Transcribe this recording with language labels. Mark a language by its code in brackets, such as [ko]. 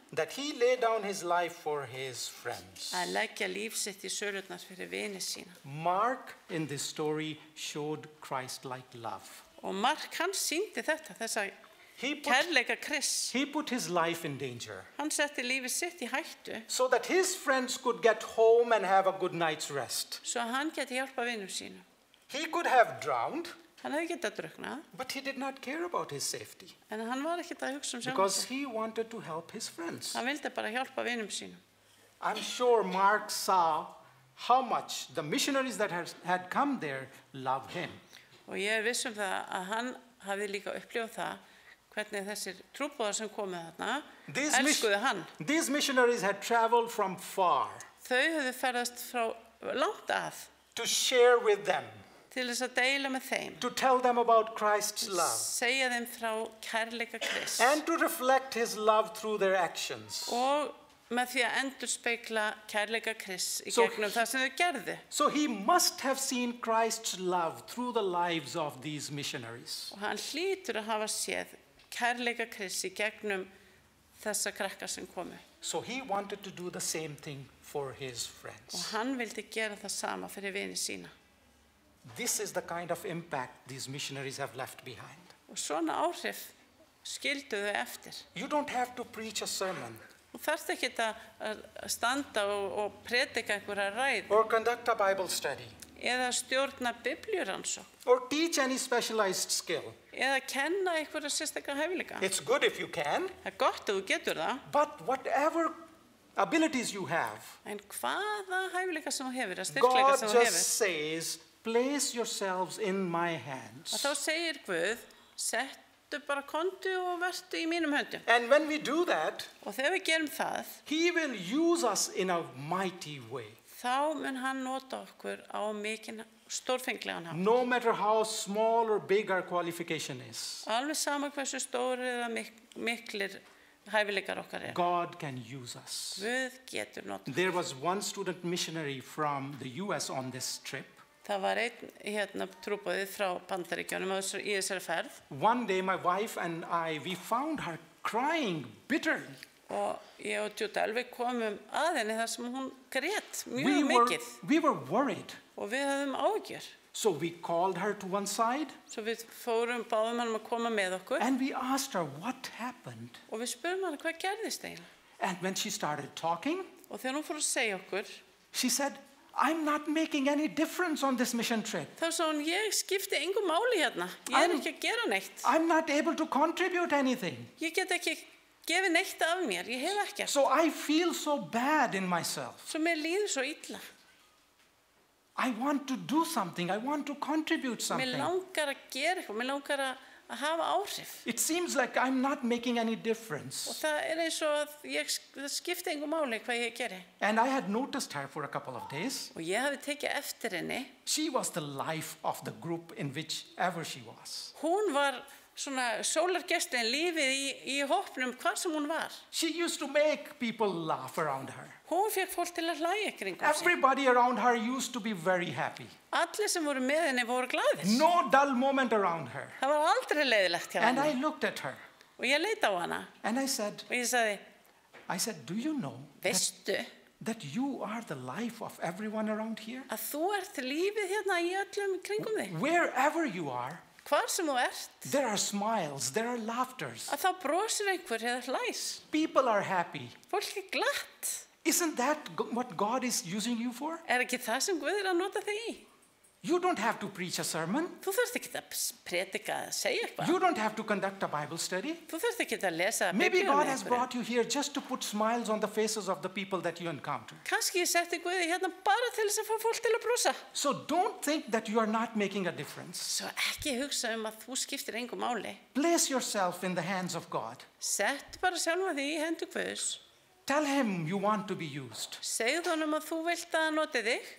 [en] That he lay down his life for his friends. [is] Að leggja líf sitt í sölurnar fyrir vini sína. [en] Mark in this story showed Christ-like love. [is] Og Mark hann sýndi þetta, þessa kærleika Chris. [en] He put his life in danger. [is] Hann setti lífið sitt í hættu. [en] So that his friends could get home and have a good night's rest. [is] Svo hann geti hjálpa vinum sínum. [en] He could have drowned. [is] Hann hefði getað drukknað. [en] But he did not care about his safety. [is] En hann var ekkert að hugsa sjálfan sig. [en] Because he wanted to help his friends. [is] Hann vildi bara hjálpa vinum sínum. [en] I'm sure Mark saw how much the missionaries that had come there loved him. [is] Og ég viss það að hann hafði líka upplifað það hvernig þessir trúboðar sem komu þarna elskuðu hann. [en] These missionaries had traveled from far. [is] Þau höfðu ferðast frá langt að. [en] To share with them. [is] Til þess að deila með þeim. [en] To tell them about Christ's love. [is] Segja þeim frá kærleika Krists. [en] And to reflect his love through their actions. [is] Og með því að endurspegla kærleika Krist í gegnum það sem þau gerðu. [en] So he must have seen Christ's love through the lives of these missionaries. [is] Og hann hlýtur að hafa séð kærleika Krist í gegnum þessa krakka sem komu. [en] So he wanted to do the same thing for his friends. [is] Og hann vildi gera það sama fyrir vini sína. [en] This is the kind of impact these missionaries have left behind. [is] Og svona áhrif skildu þau eftir. [en] You don't have to preach a sermon. [is] Þú þarft ekki að standa og predika einhverja ræði. [en] Or conduct a Bible study. [is] Eða stjórna biblíurannsókn. [en] Or teach any specialized skill. [is] Eða kenna einhverja sérstaka hæfileika. [en] It's good if you can. [is] Það gott ef þú getur það. [en] But whatever abilities you have. [is] En hvaða hæfileika sem þú hefur, styrkleika sem þú hefur. [en] God just says, place yourselves in my hands. [is] Og þá segir Guð, sett. Þú bara komdu og vertu í mínum höndum. [en] And when we do that, [is] og þegar við gerum það, [en] he will use us in a mighty way. [is] Þá mun hann nota okkur á mikinn stórfenglegan hátt. [en] No matter how small or big our qualification is. [is] Alveg sama hversu stór eða miklir hæfileikar okkar eru. [en] God can use us. [is] Guð getur notað. [en] There was one student missionary from the US on this trip. [is] Það var einn hérna trúboði frá Bandaríkjunum og í þessari ferð. [en] One day my wife and I we found her crying bitterly. [is] Og ég og Ditta alveg komum að henni þar sem hún grét mjög mikið. [en] We were worried. [is] Og við höfðum áhyggjur. [en] So we called her to one side. [is] Svo við fórum báðum hann að koma með okkur. [en] And we asked her what happened. [is] Og við spurðum hann hvað gerðist eiginlega. [en] And when she started talking. [is] Og þegar hún fór að segja okkur. [en] She said I'm not making any difference on this mission trip. [is] Þá svo hún, ég skipti engu máli hérna. Ég ekki að gera neitt. [en] I'm not able to contribute anything. [is] Ég get ekki gefið neitt af mér. Ég hef ekki. [en] So I feel so bad in myself. [is] Svo mér líður svo illa. [en] I want to do something. I want to contribute something. [is] Mér langar að gera eitthvað. Mér langar að hafa áhrif. [en] It seems like I'm not making any difference. [is] Og það eins og að ég skipti engu máli hvað ég geri. [en] And I had noticed her for a couple of days. [is] Og ég hafði tekið eftir henni. [en] She was the life of the group in which ever she was. [is] Hún var svona sólargestin lífið í hópnum hvað sem hún var. [en] She used to make people laugh around her. [is] Hún fékk fólk til að hlæja kringum sig. [en] Everybody around her used to be very happy. [is] Allir sem voru með henni voru glaðir. [en] No dull moment around her. [is] Það var aldrei leiðilegt hjá henni. [en] And I looked at her. [is] Og ég leit á hana. [en] And I said. [is] Og ég sagði. [en] I said, do you know. [is] Veistu. [en] That you are the life of everyone around here. [is] Að þú ert lífið hérna í öllum kringum þig. [en] Wherever you are. [is] Hvar sem þú ert. [en] There are smiles, there are laughters. [is] Að þá brosir einhver eða hlæs. [en] People are happy. [is] Fólk er glatt. [en] Isn't that what God is using you for? [is] Er ekki það sem Guð er að nota þig í? [en] You don't have to preach a sermon. [is] Þú þarft ekki að predika, segja eitthvað. [en] You don't have to conduct a Bible study. [is] Þú þarft ekki að lesa Biblíuna. [en] Maybe God has brought you here just to put smiles on the faces of the people that you encounter. [is] Kannski setti Guð þig hérna bara til þess að fá fólk til að brosa. [en] So don't think that you are not making a difference. [is] Svo ekki hugsa að þú skiptir engu máli. [en] Place yourself in the hands of God. [is] Settu bara sjálfan þig í hendur Guðs. [en] Tell him you want to be used. [is] Segðu honum að þú vilt að noti þig.